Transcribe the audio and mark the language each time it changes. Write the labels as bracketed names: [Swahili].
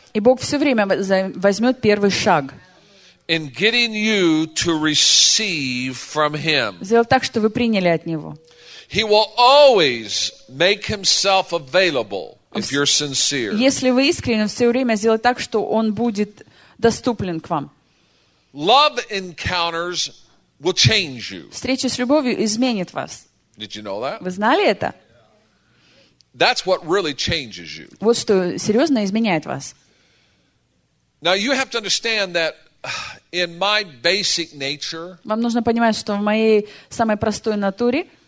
[Russian] И Бог все время возьмет первый шаг. [English] In getting you to receive from Him. [Russian] Сделать так, чтобы вы приняли от Него. [English] He will always make Himself available if you're sincere. [Russian] Если вы искренны, все время сделать так, что Он будет доступен к вам. [English] Love encounters will change you. [Russian] Встреча с любовью изменит вас. [English] Did you know that? [Russian] Вы знали это? [English] That's what really changes you. [Russian] Вот что серьезно изменяет вас. [English] Now you have to understand that in my basic nature. [Russian] Вам нужно понимать, что в моей самой простой натуре.